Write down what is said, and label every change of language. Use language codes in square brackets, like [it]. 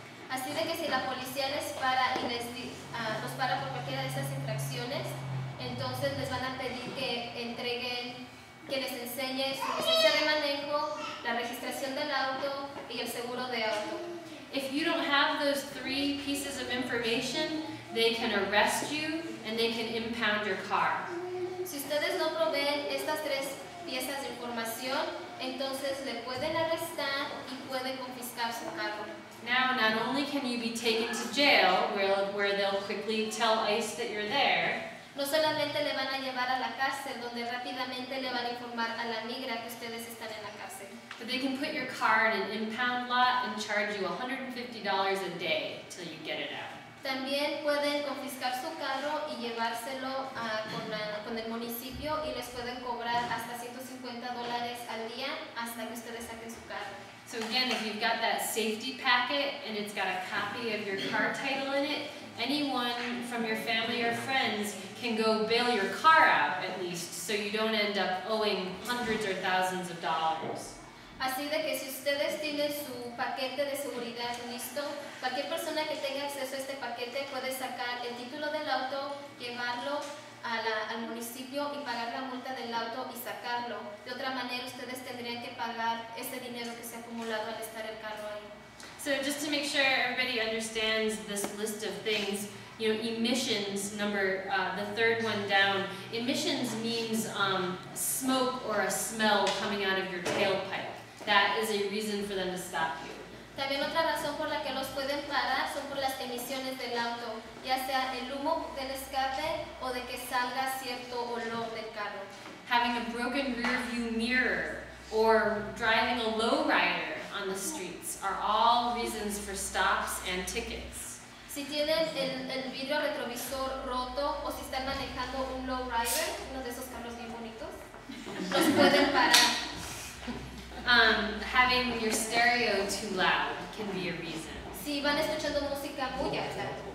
[es] Así de que si la policía les para y los para por cualquiera de esas infracciones, entonces les van a pedir que entreguen, que les enseñe su licencia de manejo, la registración del auto y el seguro de auto. [en] If you don't have those three pieces of information, they can arrest you and they can impound your car. [es] Si ustedes no proveen estas tres piezas de información, entonces le pueden arrestar y pueden confiscar su carro. [en] Now, not only can you be taken to jail, where they'll quickly tell ICE that you're there, [es] no solamente le van a llevar a la cárcel, donde rápidamente le van a informar a la migra que ustedes están en la cárcel. [en] But they can put your car in an impound lot and charge you $150 a day till you get it out. [es] También pueden confiscar su carro y llevárselo con el municipio y les pueden cobrar hasta $150 al día hasta que ustedes saquen su carro. [en] So again, if you've got that safety packet and it's got a copy of your car title in it, anyone from your family or friends can go bail your car out, at least, so you don't end up owing hundreds or thousands of dollars. [es] Así de que si ustedes tienen su paquete de seguridad listo, cualquier persona que tenga acceso a este paquete puede sacar el título del auto, llevarlo, al municipio y pagar la multa del auto y sacarlo. De otra manera, ustedes tendrían que pagar ese dinero que se ha acumulado al estar el carro ahí. [en] So just to make sure everybody understands this list of things, you know, emissions, number, the third one down, emissions means smoke or a smell coming out of your tailpipe. That is a reason for them to stop you. [es] También otra razón por la que los pueden parar son por las emisiones del auto, ya sea el humo del escape o de que salga cierto olor del carro. [en] Having a broken rear view mirror or driving a low rider on the streets are all reasons for stops and tickets. [es] Si tienen el vidrio retrovisor roto o si están manejando un low rider, uno de esos carros bien bonitos, los pueden parar. [en] Having your stereo too loud can be a reason. [es] Si van escuchando música muy alta.